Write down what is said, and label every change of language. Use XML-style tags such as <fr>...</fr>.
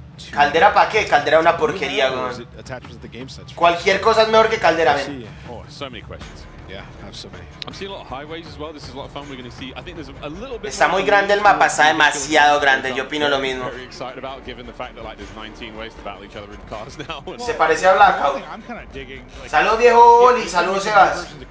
<es>¿Caldera para qué? Caldera una porquería, weón. Cualquier cosa es mejor que caldera, ven.</es> <en>Oh, so many questions. Yeah, I have so many. I'm seeing a lot of highways as well. This is a lot of fun. We're gonna see. I think there's a little bit.</en> <es>Está muy grande el mapa, está demasiado grande. Yo opino lo mismo.</es> <en>Very excited about, given the fact that like there's 19 ways to battle each other in cars now.</en> <es>Se parece a Blackout. Saludos viejo Oli, saludos Sebas.</es>